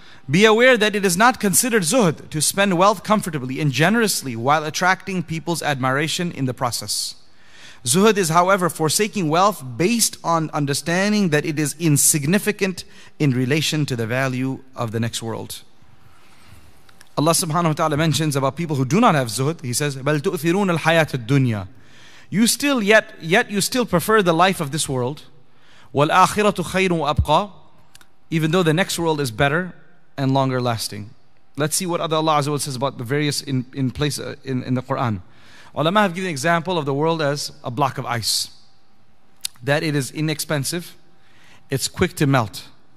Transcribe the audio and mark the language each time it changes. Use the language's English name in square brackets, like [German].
[English] Be aware that it is not considered zuhd to spend wealth comfortably and generously while attracting people's admiration in the process. Zuhud is, however, forsaking wealth based on understanding that it is insignificant in relation to the value of the next world. Allah subhanahu wa ta'ala mentions about people who do not have zuhud. He says, [Arabic] بَلْ تُؤْثِرُونَ الْحَيَاةَ الدُّنْيَا. [English] You still, yet you still prefer the life of this world. [Arabic] وَالْآخِرَةُ خَيْرٌ وَأَبْقَى. [English] Even though the next world is better and longer lasting. Let's see what Allah azza wa jalla says about the various in place in the Quran. Ulama have given an example of the world as a block of ice. That it is inexpensive, it's quick to melt.